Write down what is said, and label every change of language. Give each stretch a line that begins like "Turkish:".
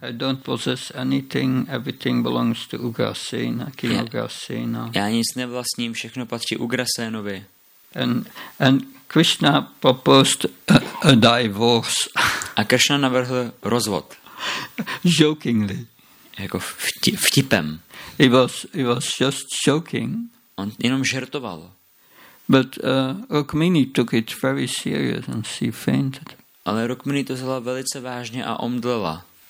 English: I don't possess anything, everything belongs to Ugrasena, King Ugrasena.
Czech: Já nic nevlastním, všechno patří Ugrasénovi.
English: And Krishna proposed a divorce.
Czech: A Krishna navrhl rozvod.
English: Jokingly.
Czech: Jako vtipem.
English: He was just joking.
Czech: On jenom žertoval.
English: But Rukmini took it very serious and she fainted.
Czech: Ale Rukmini to vzala velice vážně a omdlela.